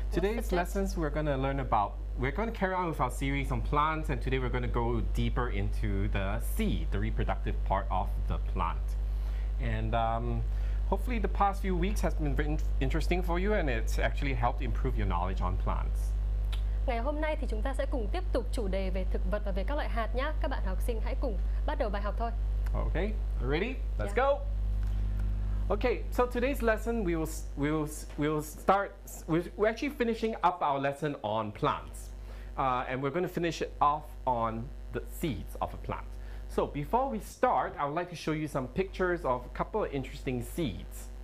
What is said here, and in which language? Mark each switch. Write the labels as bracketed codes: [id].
[en] Today's lessons we're going to learn about... We're going to carry on with our series on plants, and today we're going to go deeper into the seed, the reproductive part of the plant. And hopefully the past few weeks has been very interesting for you, and it's actually helped improve your knowledge on plants. [vi] Ngày hôm nay thì chúng ta sẽ cùng tiếp tục chủ đề về thực vật và về các loại hạt nhé. Các bạn học sinh hãy cùng bắt đầu bài học thôi. [en] Okay, ready? Let's go! Okay, so today's lesson we're actually finishing up our lesson on plants, and we're going to finish it off on the seeds of a plant. So before we start, I would like to show you some pictures of a couple of interesting seeds.